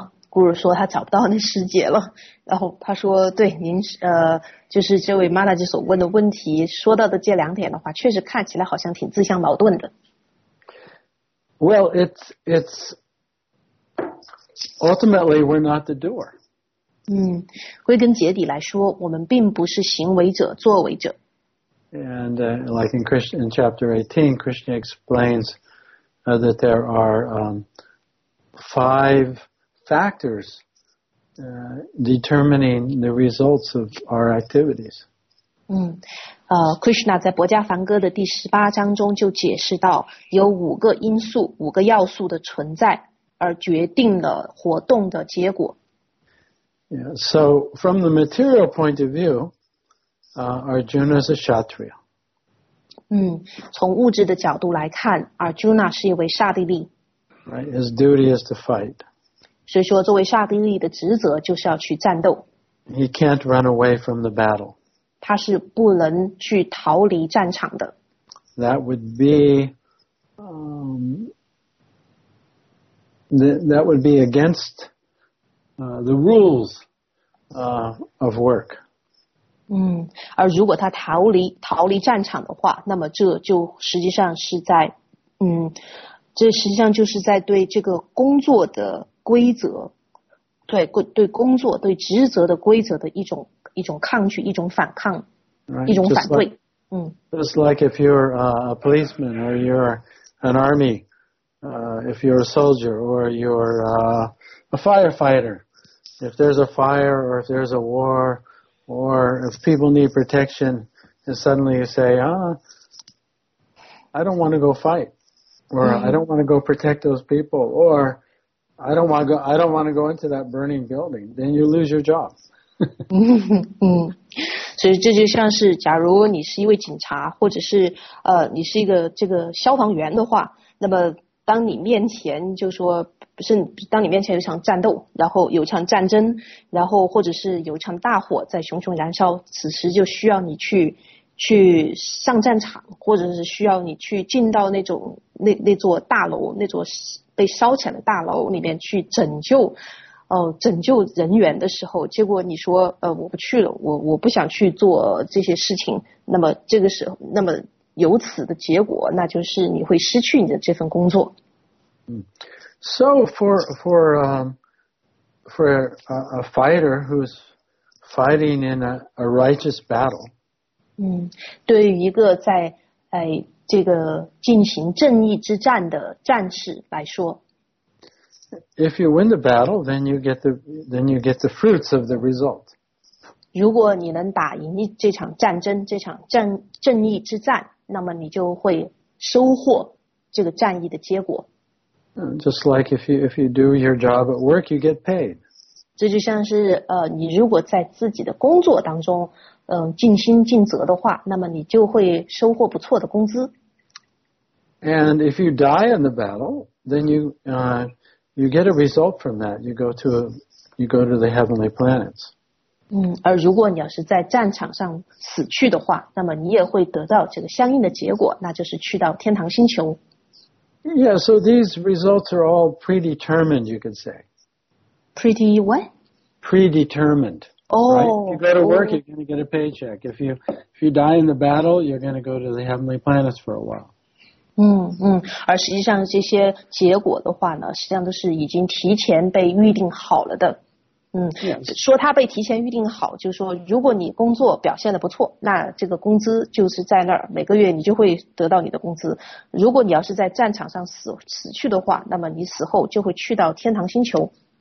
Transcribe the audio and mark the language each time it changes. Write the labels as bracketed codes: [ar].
[zh] Guru 说他找不到那世界了，然后他说对您就是这位 Mataji 所问的问题说到的这两点的话，确实看起来好像挺自相矛盾的。 [en] Well, it's ultimately we're not the doer. [zh] 归根结底来说，我们并不是行为者、作为者。 [en] And like in Krishna, in chapter 18, Krishna explains that there are five factors determining the results of our activities. [zh] Krishna 在《薄伽梵歌》的第十八章中就解释到，有五个因素、五个要素的存在，而决定了活动的结果。 [en] Yeah. So from the material point of view, Arjuna is a Kshatriya. [zh] 从物质的角度来看， Arjuna 是一位刹帝利。 [en] Right, his duty is to fight. [zh] 所以说作为刹帝利的职责就是要去战斗。 [en] He can't run away from the battle. [zh] 他是不能去逃离战场的。 [en] That would be against the rules of work. [zh] 而如果他逃离战场的话，那么这就实际上是在这实际上就是在对这个工作的规则，对对工作对职责的规则的一种抗拒，一种反抗， right, 一种反对。 [en] Just like if you're a policeman or you're an army, if you're a soldier or you're a firefighter, if there's a fire or if there's a war or if people need protection, and suddenly you say, I don't want to go fight, or I don't want to go protect those people, or I don't want to go into that burning building, then you lose your job. [zh] 所以这就像是假如你是一位警察或者是你是一个这个消防员的话，那么当你面前就说不是当你面前有一场战斗，然后有一场战争，然后或者是有一场大火在熊熊燃烧，此时就需要你去上战场，或者是需要你去进到那座大楼，那座被烧起来的大楼里面去拯救拯救人员的时候，结果你说我不去了，我不想去做这些事情，那么这个时候，那么由此的结果，那就是你会失去你的这份工作。 [en] So for a fighter who's fighting in a righteous battle. [zh] 对于一个在这个进行正义之战的战士来说。 [en] If you win the battle, then you get the fruits of the result. [zh] 如果你能打赢这场战争，这场正义之战，那么你就会收获这个战役的结果。 [en] Just like if you do your job at work, you get paid. [zh] 这就像是你如果在自己的工作当中，尽心尽责的话，那么你就会收获不错的工资。 [en] And if you die in the battle, then you get a result from that. You go to the heavenly planets. [zh] 而如果你要是在战场上死去的话，那么你也会得到这个相应的结果，那就是去到天堂星球。 [en] Yeah, so these results are all predetermined, you could say. Pretty what? Predetermined. Oh. Right? If you go to work, you're going to get a paycheck. If you die in the battle, you're going to go to the heavenly planets for a while. [zh] 而实际上这些结果的话呢，实际上都是已经提前被预定好了的。说它被提前预定好，就是说如果你工作表现得不错，那这个工资就是在那儿，每个月你就会得到你的工资。如果你要是在战场上死去的话，那么你死后就会去到天堂星球。